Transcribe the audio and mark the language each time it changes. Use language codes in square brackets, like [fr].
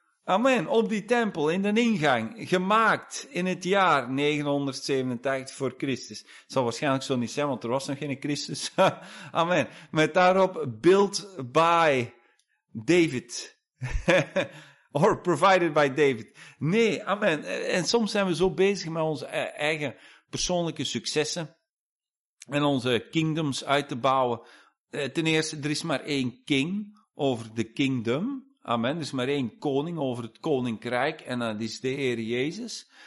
[nl] Amen, op die tempel, in de ingang, gemaakt in het jaar 987 voor Christus. Het zal waarschijnlijk zo niet zijn, want er was nog geen Christus. Amen. Met daarop, [en] built by David. Or provided by David. [nl] Nee, amen. En soms zijn we zo bezig met onze eigen persoonlijke successen en onze kingdoms uit te bouwen. Ten eerste, er is maar één king over de kingdom. Amen. Er is maar één koning over het koninkrijk en dat is de Heer Jezus.